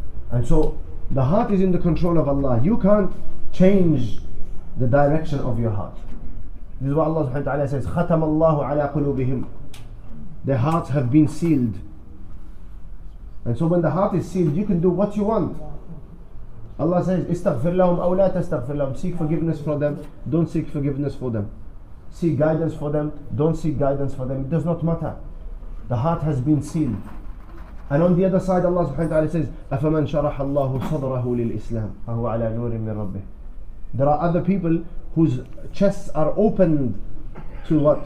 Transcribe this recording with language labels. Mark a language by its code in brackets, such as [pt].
[en] And so the heart is in the control of Allah. You can't change the direction of your heart. This is what Allah subhanahu wa ta'ala says, [ar] خَتَمَ اللَّهُ عَلَىٰ قُلُوبِهِمْ. [en] Their hearts have been sealed. And so when the heart is sealed, you can do what you want. Allah says, [ar] استغفر لهم أو لا تستغفر لهم. [en] Seek forgiveness for them, don't seek forgiveness for them. Seek guidance for them, don't seek guidance for them. It does not matter. The heart has been sealed. And on the other side, Allah subhanahu wa ta'ala says, [ar] أَفَمَنْ شَرَحَ اللَّهُ صَدْرَهُ لِلْإِسْلَامِ فَهُوَ عَلَىٰ نُورٍ مِّنْ رَبِّهِ. [en] There are other people whose chests are opened to what?